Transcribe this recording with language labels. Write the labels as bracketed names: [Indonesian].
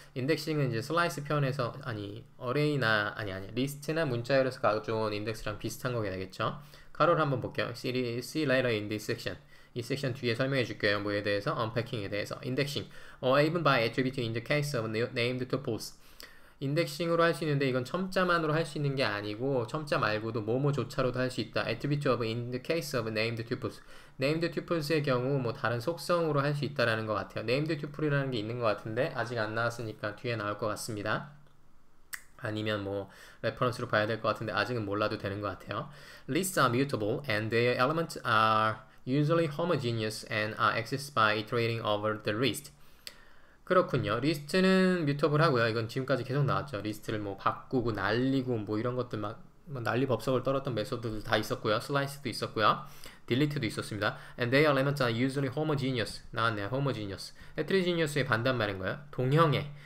[Korean] 인덱싱은 이제 슬라이스 표현에서 아니 어레이나 아니 리스트나 문자열에서 가져온 인덱스랑 비슷한 거게 되겠죠. 가로를 한번 볼게요. [English] See later in this section. [Korean] 이 섹션 뒤에 설명해 줄게요. 뭐에 대해서 언패킹에 대해서 인덱싱 [English] or even by attribute in the case of named tuples. [Korean] 인덱싱으로 할수 있는데 이건 첨자만으로 할수 있는 게 아니고 첨자 말고도 뭐뭐조차로도 할수 있다. [English] Attribute of in the case of named tuples. [Korean] Named tuples의 경우 뭐 다른 속성으로 할수 있다라는 것 같아요. Named tuple이라는 게 있는 것 같은데 아직 안 나왔으니까 뒤에 나올 것 같습니다. 아니면 뭐 레퍼런스로 봐야 될것 같은데 아직은 몰라도 되는 것 같아요. [English] Lists are mutable and their elements are usually homogeneous and are accessed by iterating over the list. [Korean] 그렇군요. 리스트는 뮤터블하고요. 이건 지금까지 계속 나왔죠. 리스트를 뭐 바꾸고 날리고 뭐 이런 것들 막 난리 법석을 떨었던 메소드들 다 있었고요. 슬라이스도 있었고요. 딜리트도 있었습니다. [English] And their elements are usually homogeneous. [Korean] 나왔네요. [English] homogeneous. [Korean] heterogeneous의 반대말인 거예요. 동형의.